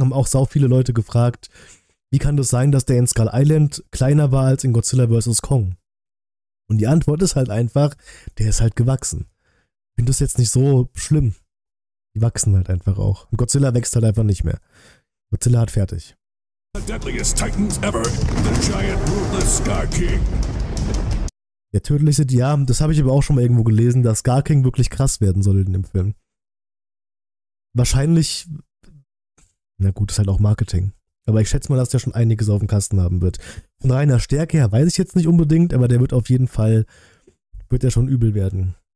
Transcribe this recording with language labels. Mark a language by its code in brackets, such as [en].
[de] Haben auch sau viele Leute gefragt, wie kann das sein, dass der in Skull Island kleiner war als in Godzilla vs. Kong? Und die Antwort ist halt einfach, der ist halt gewachsen. Ich finde das jetzt nicht so schlimm. Die wachsen halt einfach auch. Und Godzilla wächst halt einfach nicht mehr. Godzilla hat fertig. [en] The deadliest titans ever, the giant ruthless Scar King. [de] Der tödlichste, ja, das habe ich aber auch schon mal irgendwo gelesen, dass Scar King wirklich krass werden soll in dem Film. Wahrscheinlich, na gut, ist halt auch Marketing. Aber ich schätze mal, dass der schon einiges auf dem Kasten haben wird. Von reiner Stärke her weiß ich jetzt nicht unbedingt, aber der wird auf jeden Fall, wird er schon übel werden.